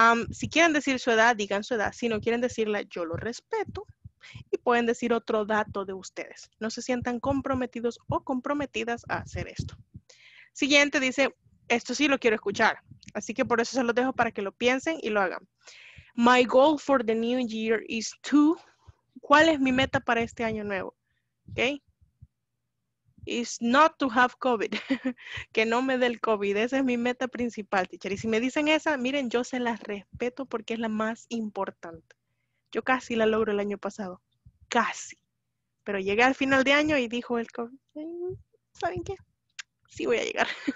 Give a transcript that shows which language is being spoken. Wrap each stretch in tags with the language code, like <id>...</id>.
<es>Si quieren decir su edad, digan su edad. Si no quieren decirla, yo lo respeto. Y pueden decir otro dato de ustedes. No se sientan comprometidos o comprometidas a hacer esto. Siguiente dice, esto sí lo quiero escuchar. Así que por eso se los dejo para que lo piensen y lo hagan.</es> <en>My goal for the new year is to...</en> <es>¿Cuál es mi meta para este año nuevo? ¿Ok?</es> <en>It's not to have COVID.</en> <es>Que no me dé el COVID. Esa es mi meta principal, teacher. Y si me dicen esa, miren, yo se las respeto porque es la más importante. Yo casi la logro el año pasado. Casi. Pero llegué al final de año y dijo el COVID. ¿Saben qué? Sí voy a llegar.</es>